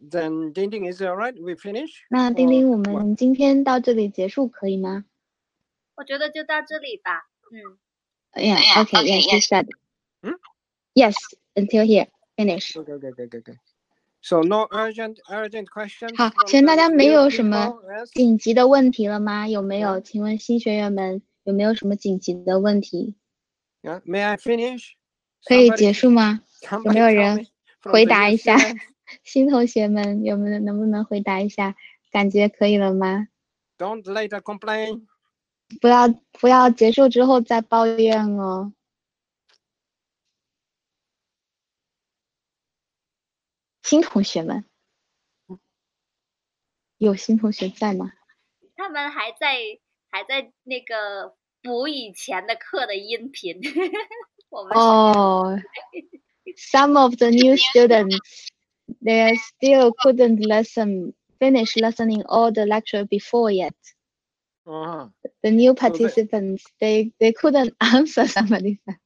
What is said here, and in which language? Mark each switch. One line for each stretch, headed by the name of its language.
English: Then, Dingding, is it all right? We finish.
Chinese: 那丁丁，我们今天到这里结束可以吗？我觉得就到这里吧。
English: Yeah. Okay. Okay. Yes. Yes. Said. Yes. Until here. Finish. Okay. Okay. Okay. Okay. So no urgent questions.
Chinese: 好，请问大家没有什么紧急的问题了吗？有没有？请问新学员们有没有什么紧急的问题
English: ？Yeah. May I finish?
Chinese: 可以结束吗？有没有人？回答一下，新同学们有没有能不能回答一下？感觉可以了吗
English: ？Don't later complain.
Chinese: 不要结束之后再抱怨哦。新同学们，有新同学在吗？他们还在那个补以前的课的音频。哦。
English: Some of the new students, they still couldn't finish listening all the lecture before yet. The new participants, they couldn't answer somebody.